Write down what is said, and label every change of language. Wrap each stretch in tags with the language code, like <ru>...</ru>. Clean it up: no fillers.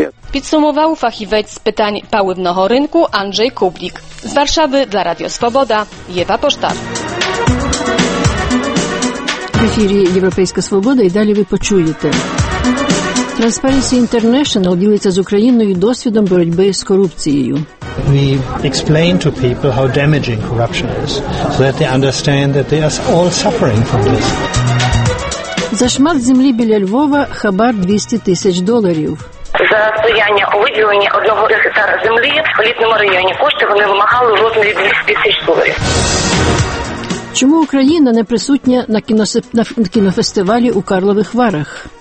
<uk>Підсумував фахівець з питань паливного ринку Андрій Кублік. З Варшави для Радіо Свобода – Єва Поштар. В ефірі «Європейська свобода» і далі ви почуєте. Transparency International ділиться з Україною досвідом боротьби з корупцією.</uk> <en>We explain to people how damaging corruption is, so that they understand that they are all suffering from this.</en> <uk>За шмат землі біля Львова хабар 200 тисяч доларів. За стояння у виділенні 1 гектара землі в літньому районі кошти вони вимагали в розмірі 200 тисяч доларів. Чому Україна не присутня на кінофестивалі у Карлових Варах?</uk>